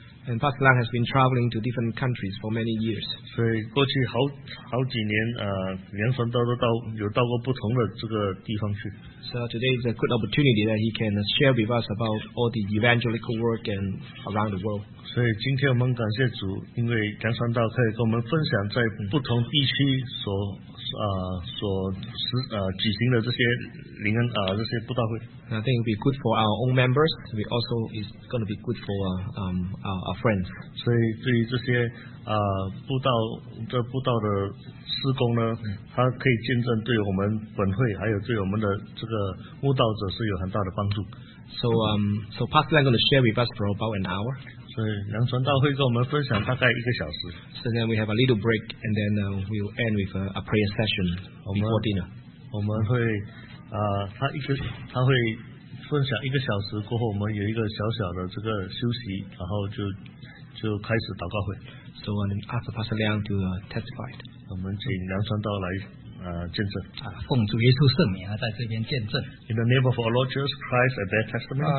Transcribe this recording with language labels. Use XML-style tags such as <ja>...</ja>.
<en>And Pastor Lang has been traveling to different countries for many years.</en> <zh>所以过去好几年，连神都有到过不同的这个地方去。</zh> <en>So today is a good opportunity that he can share with us about all the evangelical work and around the world.</en> <zh>所以今天我们感谢主，因为连神道可以跟我们分享在不同地区所举行的这些灵恩这些布道会。</zh> <en>I think it'll be good for our own members. We also is going to be good for our friends.</en> <zh>所以对于这些布道的施工呢，它可以见证对我们本会还有对我们的这个慕道者是有很大的帮助。</zh> <en>So Pastor Lang going to share with us for about an hour.</en> <zh>所以梁传道会跟我们分享大概一个小时。</zh> <en>So then we have a little break and then we'll end with a prayer session before dinner.</en> <zh>他会分享一个小时过后，我们有一个小小的这个休息，然后就开始祷告会。</zh> <en>So I ask Pastor Liang to testify.</en> <zh>我们请梁传道来见证。奉主耶稣圣名在这边见证。</zh> <en>In the name of our Lord Jesus Christ, I bear testimony.</en>